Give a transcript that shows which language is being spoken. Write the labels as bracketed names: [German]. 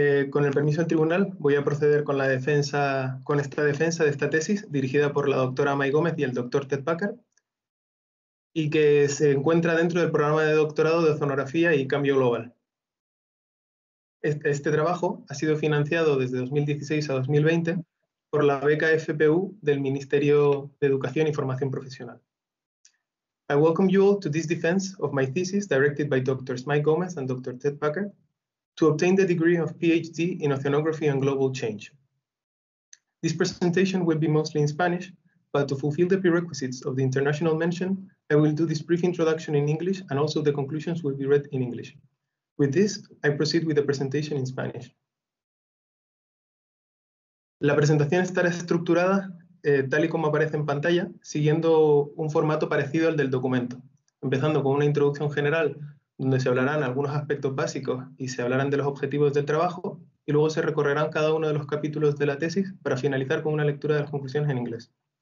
[Spanish] Con el permiso del tribunal, voy a proceder con la defensa, con esta defensa de esta tesis dirigida por la doctora May Gómez y el doctor Ted Packer, y que se encuentra dentro del programa de doctorado de Oceanografía y Cambio Global. Este trabajo ha sido financiado desde 2016 a 2020 por la beca FPU del Ministerio de Educación y Formación Profesional. [English] I welcome you all to this defense of my thesis directed by Drs. May Gómez and Dr. Ted Packer to obtain the degree of PhD in Oceanography and Global Change. This presentation will be mostly in Spanish, but to fulfill the prerequisites of the international mention, I will do this brief introduction in English and also the conclusions will be read in English. With this, I proceed with the presentation in Spanish. [Spanish] La presentación estará estructurada tal y como aparece en pantalla, siguiendo un formato parecido al del documento, empezando con una introducción general donde se hablarán algunos aspectos básicos y se hablarán de los objetivos del trabajo, y luego se recorrerán cada uno de los capítulos de la tesis para finalizar con una lectura de las conclusiones en inglés.